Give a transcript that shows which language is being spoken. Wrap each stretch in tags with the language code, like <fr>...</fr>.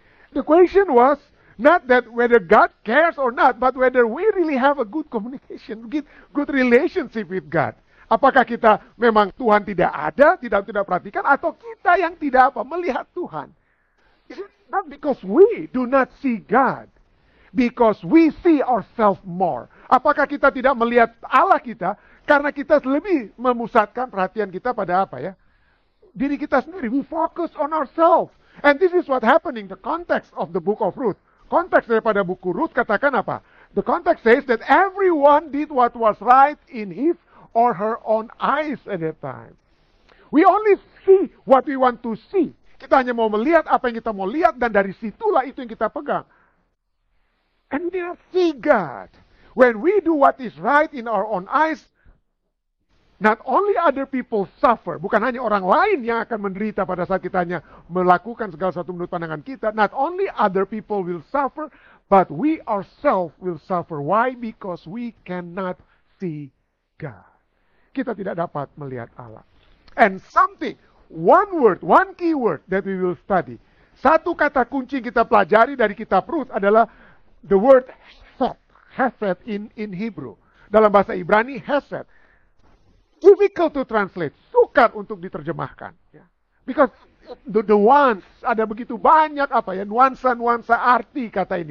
<en>The question was not that whether God cares or not, but whether we really have a good communication, good relationship with God.</en> <id>Apakah kita memang Tuhan tidak ada, tidak perhatikan, atau kita yang tidak apa melihat Tuhan?</id> <en>Is it not because we do not see God, because we see ourselves more?</en> <id>Apakah kita tidak melihat Allah kita karena kita lebih memusatkan perhatian kita pada apa ya? Diri kita sendiri.</id> <en>We focus on ourselves, and this is what happening. The context of the book of Ruth.</en> <id>Konteks daripada buku Ruth katakan apa?</id> <en>The context says that everyone did what was right in his or her own eyes at that time. We only see what we want to see.</en> <id>Kita hanya mau melihat apa yang kita mau lihat, dan dari situlah itu yang kita pegang.</id> <en>And we don't see God. When we do what is right in our own eyes, not only other people suffer.</en> <id>Bukan hanya orang lain yang akan menderita pada saat kita hanya melakukan segala sesuatu menurut pandangan kita.</id> <en>Not only other people will suffer, but we ourselves will suffer. Why? Because we cannot see God.</en> <id>Kita tidak dapat melihat Allah.</id> <en>And something, one word, one key word that we will study.</en> <id>Satu kata kunci kita pelajari dari kitab Ruth adalah</id> <en>the word hesed in Hebrew.</en> <id>Dalam bahasa Ibrani, hesed.</id> <en>Difficult to translate.</en> <id>Sukar untuk diterjemahkan.</id> <en>Because the ones,</en> <id>ada begitu banyak apa ya, nuansa-nuansa arti kata ini.</id>